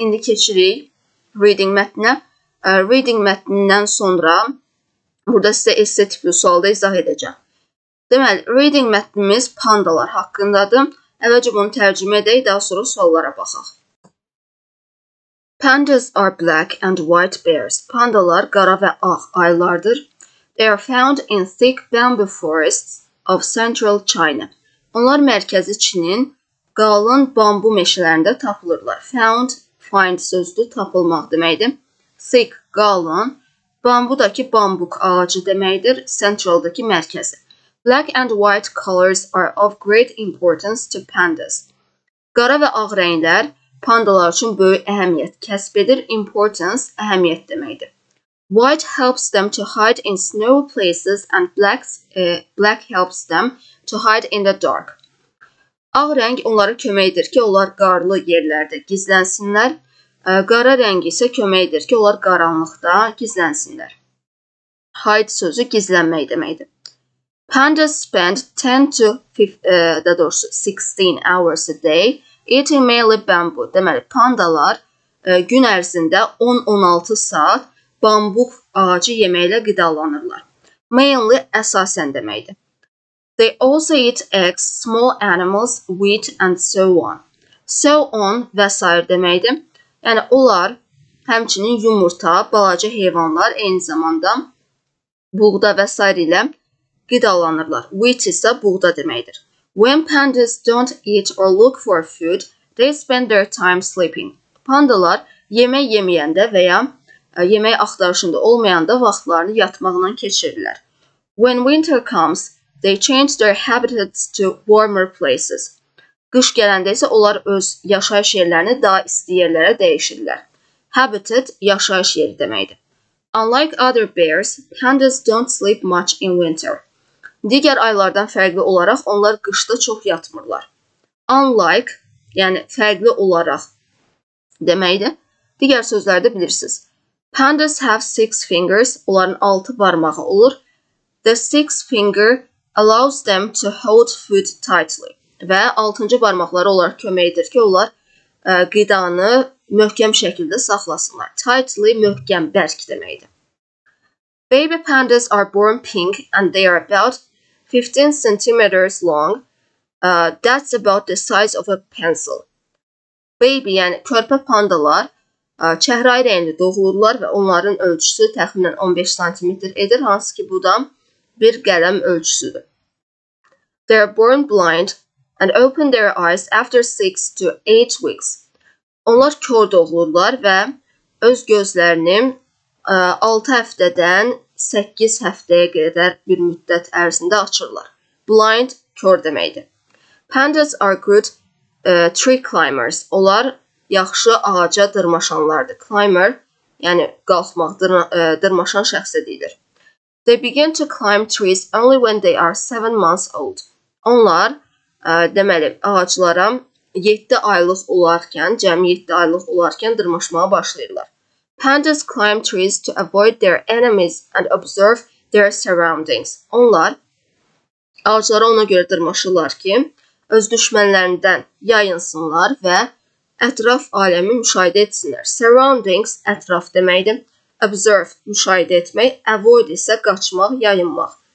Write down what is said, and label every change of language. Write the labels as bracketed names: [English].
[Azerbaijani] İndi keçirik reading mətninə. Reading mətnindən sonra burada sizə esse tipli sualda izah edəcəm. Deməli, reading mətnimiz pandalar haqqındadır. Əvvəlcə bunu tərcümə edək, daha sonra suallara baxaq. [English] Pandas are black and white bears. [Azerbaijani] Pandalar qara və ağ ayılardır. [English] They are found in thick bamboo forests of central China. [Azerbaijani] Onlar mərkəzi Çinin qalın bambu meşələrində tapılırlar. Found, find sözü tapılmaq deməkdir. Thick, qalın. Bambudakı bambuk ağacı deməkdir. Central-dakı mərkəzi. [English] Black and white colors are of great importance to pandas. [Azerbaijani] Qara və ağ rənglər pandalar üçün böyük əhəmiyyət kəsb edir. Importance, əhəmiyyət deməkdir. [English] White helps them to hide in snow places and black helps them to hide in the dark. [Azerbaijani] Ağ rəng onlara köməkdir ki, onlar qarlı yerlərdə gizlənsinlər. Qara rəng isə köməkdir ki, onlar qaranlıqda gizlənsinlər. Hide sözü gizlənmək deməkdir. [English] Pandas spend 16 hours a day eating mainly bamboo. [Azerbaijani] Deməli, pandalar gün ərzində 10-16 saat bambuq ağacı yeməklə qidalanırlar. Mainly əsasən deməkdir. [English] They also eat eggs, small animals, wheat and so on. [Azerbaijani] So on və s. deməkdir. Yəni, onlar həmçinin yumurta, balaca heyvanlar, eyni zamanda buğda və s. ilə qidalanırlar. Wheat isə buğda deməkdir. [English] When pandas don't eat or look for food, they spend their time sleeping. [Azerbaijani] Pandalar yemək yeməyəndə və ya yemək axtarışında olmayanda vaxtlarını yatmaqla keçirirlər. [English] When winter comes, they change their habitats to warmer places. [Azerbaijani] Qış gələndə isə onlar öz yaşayış yerlərini daha isti yerlərə dəyişirlər. Habitat yaşayış yeri deməkdir. [English] Unlike other bears, pandas don't sleep much in winter. [Azerbaijani] Digər aylardan fərqli olaraq onlar qışda çox yatmırlar. Unlike, yəni fərqli olaraq deməkdir. Digər sözlərdə bilirsiniz. [English] Pandas have six fingers, [Azerbaijani] onların 6 barmağı olur. [English] The six finger allows them to hold food tightly. [Azerbaijani] Və 6-cı barmaqları onlara köməkdir ki, onlar qidanı möhkəm şəkildə saxlasınlar. Tightly, möhkəm, bərk deməkdir. [English] Baby pandas are born pink and they are about 15 centimeters long. That's about the size of a pencil. [Azerbaijani] Baby, yəni körpə pandalar çəhrə ayı rəngli doğulurlar və onların ölçüsü təxminən 15 cm edir, hansı ki bu da bir qələm ölçüsüdür. [English] They are born blind and open their eyes after 6 to 8 weeks. [Azerbaijani] Onlar kör doğulurlar və öz gözlərini 6 həftədən 8 həftəyə qədər bir müddət ərzində açırlar. [English] Blind, kör deməkdir. Pandas are good tree climbers. [Azerbaijani] Onlar yaxşı ağaca dırmaşanlardır. Climber, yəni qalxmaq, dırmaşan şəxs deyilir. [English] They begin to climb trees only when they are 7 months old. [Azerbaijani] Onlar, deməli, ağaclara 7 aylıq olarkən, cəmi 7 aylıq olarkən dırmaşmağa başlayırlar. [English] Pandas climb trees to avoid their enemies and observe their surroundings. [Azerbaijani] Onlar ağaclara ona görə dırmaşırlar ki, öz düşmənlərindən yayınsınlar və ətraf aləmi müşahidə etsinlər. Surroundings ətraf deməkdir. Observe, müşahidə etmək, avoid isə qaçmaq, yayınmaq.